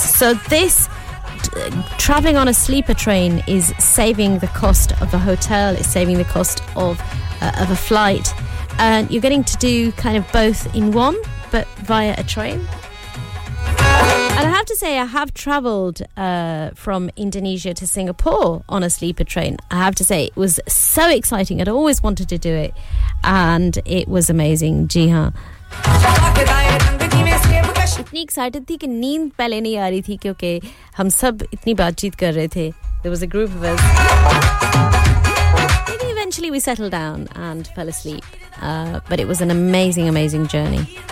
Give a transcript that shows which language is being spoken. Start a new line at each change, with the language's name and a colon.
English: So this traveling on a sleeper train is saving the cost of a hotel, it's saving the cost of a flight, and you're getting to do kind of both in one, but via a train. And I have to say, I have travelled from Indonesia to Singapore on a sleeper train. I have to say, it was so exciting. I'd always wanted to do it, and it was amazing.
Hindi: Ji haan. इतनी excited थी कि नींद पहले नहीं आ रही थी क्योंकि हम सब इतनी बातचीत कर रहे थे.
English: There was a group of us. Maybe eventually we settled down and fell asleep. But it was an amazing, amazing journey.